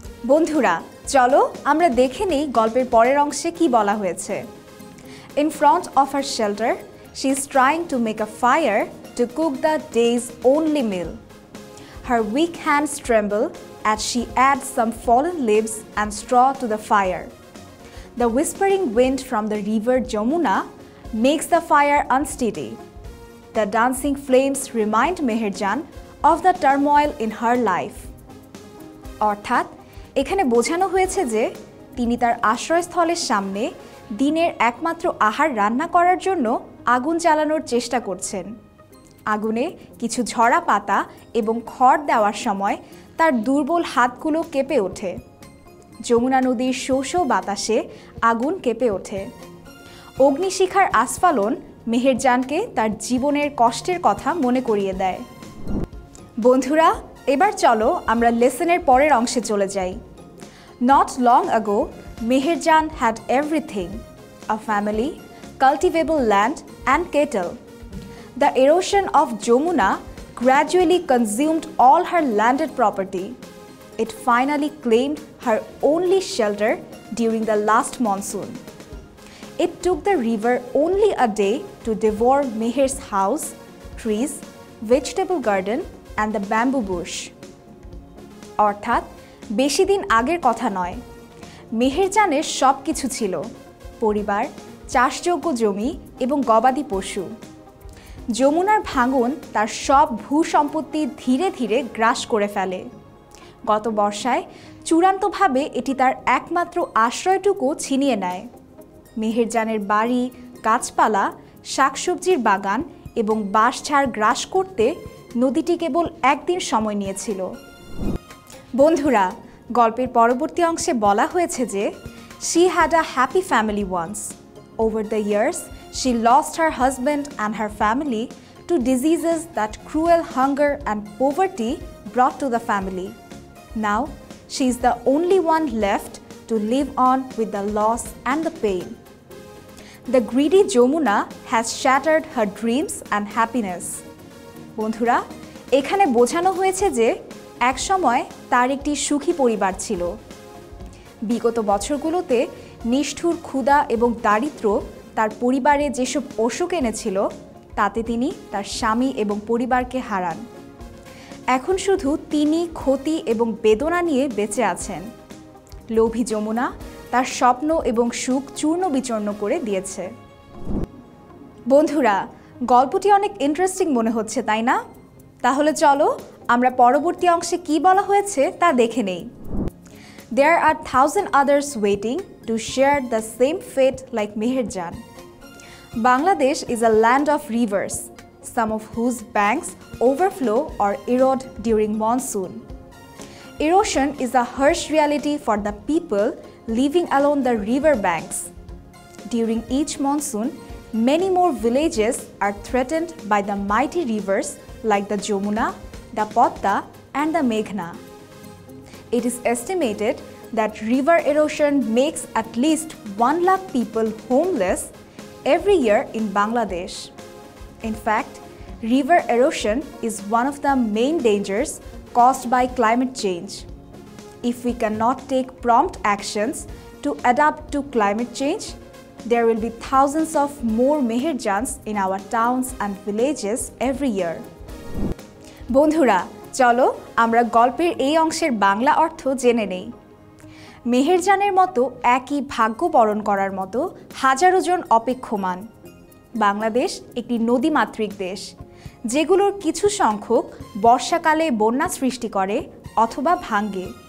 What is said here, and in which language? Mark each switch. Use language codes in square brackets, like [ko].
[bn] বন্ধুরা, চলো আমরা দেখে নিই গল্পের পরের অংশে কি বলা হয়েছে। [en] In front of her shelter she is trying to make a fire to cook the day's only meal. Her weak hands tremble at she add some fallen leaves and straw to the fire. The whispering wind from the river Jamuna makes the fire unsteady. The dancing flames remind Meherjan of the turmoil in her life. [bn] অর্থাৎ এখানে বোঝানো হয়েছে যে তিনি তার আশ্রয়স্থলের সামনে দিনের একমাত্র আহার রান্না করার জন্য আগুন চালানোর চেষ্টা করছেন। আগুনে কিছু ঝরা পাতা এবং খড় দেওয়ার সময় তার দুর্বল হাতগুলো কেঁপে ওঠে। যমুনা নদীর শোষো বাতাসে আগুন কেঁপে ওঠে। অগ্নিশিখার আস্ফালন মেহেরজানকে তার জীবনের কষ্টের কথা মনে করিয়ে দেয়। বন্ধুরা, এবার চলো আমরা লেসনের পরের অংশে চলে যাই। [en] Not long ago Meherjan had everything, a family, cultivable land and cattle. The erosion of Jamuna gradually consumed all her landed property. It finally claimed her only shelter during the last monsoon. It took the river only a day to devour Meher's house, trees, vegetable garden and the bamboo bush. [bn] অর্থাৎ বেশি দিন আগের কথা নয়, মেহেরজানের সব কিছু ছিল, পরিবার, চাষযোগ্য জমি এবং গবাদি পশু। যমুনার ভাঙন তার সব ভূসম্পত্তি ধীরে ধীরে গ্রাস করে ফেলে। গত বর্ষায় চূড়ান্তভাবে এটি তার একমাত্র আশ্রয়টুকু ছিনিয়ে নেয়। মেহেরজানের বাড়ি, গাছপালা, শাকসবজির বাগান এবং বাঁশঝাড় গ্রাস করতে নদীটি কেবল একদিন সময় নিয়েছিল। বন্ধুরা, গল্পের পরবর্তী অংশে বলা হয়েছে যে [en] She had a happy family once. Over the years she lost her husband and her family to diseases that cruel hunger and poverty brought to the family. Now, she is the only one left to live on with the loss and the pain. The greedy Jamuna has shattered her dreams and happiness. [bn] Bondhura, ekhane bojhano hoyeche je ek shomoy tar ekti sukhi poribar chilo. Bigoto bochhor gulote nishthur khuda ebong daritro tar poribare je sob oshok enechilo tate tini tar shami ebong poribar ke haran. এখন শুধু তিনি ক্ষতি এবং বেদনা নিয়ে বেঁচে আছেন। লোভী যমুনা তার স্বপ্ন এবং সুখ চূর্ণ বিচূর্ণ করে দিয়েছে। বন্ধুরা, গল্পটি অনেক ইন্টারেস্টিং মনে হচ্ছে, তাই না? তাহলে চলো আমরা পরবর্তী অংশে কি বলা হয়েছে তা দেখে নেই। [en] There are 1000 others waiting to share the same fate like Meherjan. Bangladesh is a land of rivers, some of whose banks overflow or erode during monsoon. Erosion is a harsh reality for the people living along the river banks. During each monsoon, many more villages are threatened by the mighty rivers like the Jomuna, the Patta, and the Meghna. It is estimated that river erosion makes at least 1 lakh people homeless every year in Bangladesh. In fact, river erosion is one of the main dangers caused by climate change. If we cannot take prompt actions to adapt to climate change, there will be thousands of more Meherjans in our towns and villages every year. [bn] Bondhura, চলো আমরা গল্পের এই অংশের বাংলা অর্থ জেনে নেই। মেহেরজানের মতো একই ভাগ্য বরণ করার মতো হাজারো জন অপেক্ষমান। বাংলাদেশ একটি নদীমাতৃক দেশ, যেগুলোর কিছু সংখ্যক বর্ষাকালে বন্যা সৃষ্টি করে অথবা ভাঙে।